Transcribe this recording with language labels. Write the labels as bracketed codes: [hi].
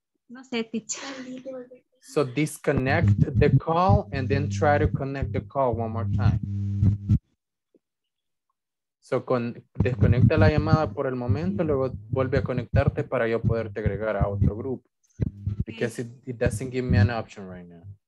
[es] No sé, teacher. [en] So disconnect the call and then try to connect the call one more time. [es] So desconecta la llamada por el momento, luego vuelve a conectarte para yo poderte agregar a otro grupo. [en] Because it doesn't give me an option right now.